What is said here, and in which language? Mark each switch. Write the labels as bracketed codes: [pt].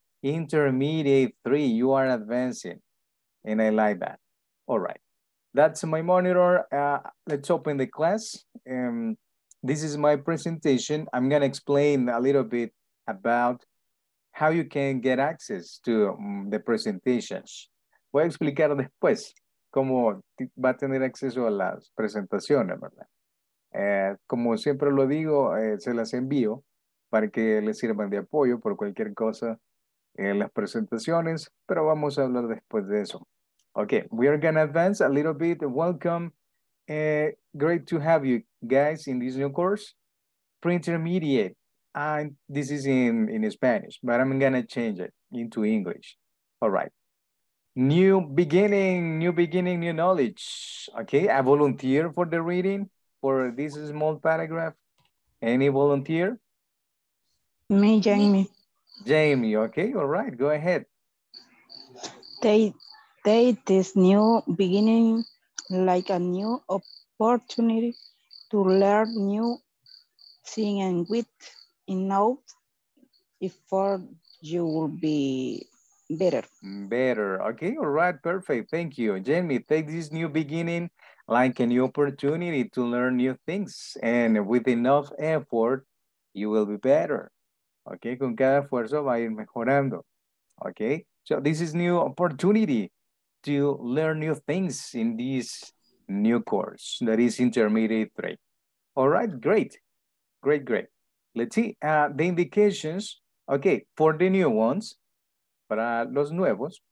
[en] Intermediate 3, you are advancing. And I like that. All right. That's my monitor. Let's open the class. This is my presentation. I'm going to explain a little bit about how you can get access to the presentations. [es] Voy a explicar después cómo va a tener acceso a las presentaciones, ¿verdad? Como siempre lo digo, se las envío para que les sirvan de apoyo por cualquier cosa en las presentaciones, pero vamos a hablar después de eso. [en] Okay, we are gonna advance a little bit. Welcome, great to have you guys in this new course. Pre-intermediate, and this is in Spanish, but I'm gonna change it into English. All right. New beginning, new knowledge. Okay, I volunteer for the reading for this small paragraph. Any volunteer? Me, Jamie. Jamie, okay, all right, go ahead. Take this new beginning like a new opportunity to learn new things and with enough effort, you will be better. Better, okay, all right, perfect. Thank you, Jamie. Take this new beginning like a new opportunity to learn new things and with enough effort, you will be better. [es] Okay, con cada esfuerzo va a ir mejorando. [en] Okay, so this is new opportunity to learn new things in this new course that is intermediate three. All right, great. Let's see the indications. Okay, for the new ones, [es] para los nuevos.